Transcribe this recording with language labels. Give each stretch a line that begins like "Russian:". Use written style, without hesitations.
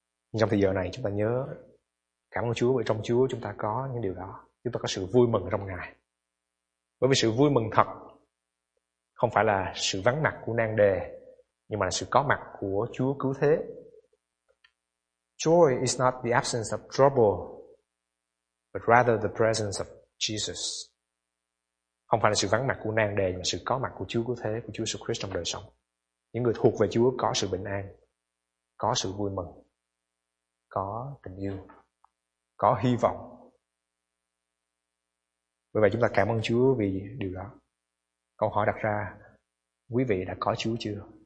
Vietnamese: Nhưng trong thời giờ này chúng ta nhớ cảm ơn Chúa, bởi trong Chúa chúng ta có những điều đó. Chúng ta có sự vui mừng trong Ngài. Bởi vì sự vui mừng thật không phải là sự vắng mặt của nan đề, nhưng mà là sự có mặt của Chúa cứu thế.
English: Joy is not the absence of trouble, but rather the presence of Jesus.
Vietnamese: Không phải là sự vắng mặt của nan đề, mà sự có mặt của Chúa cứu thế, của Chúa Jesus Christ trong đời sống. Những người thuộc về Chúa có sự bình an, có sự vui mừng, có tình yêu, có hy vọng. Bởi vậy chúng ta cảm ơn Chúa vì điều đó. Câu hỏi đặt ra, quý vị đã có Chúa chưa?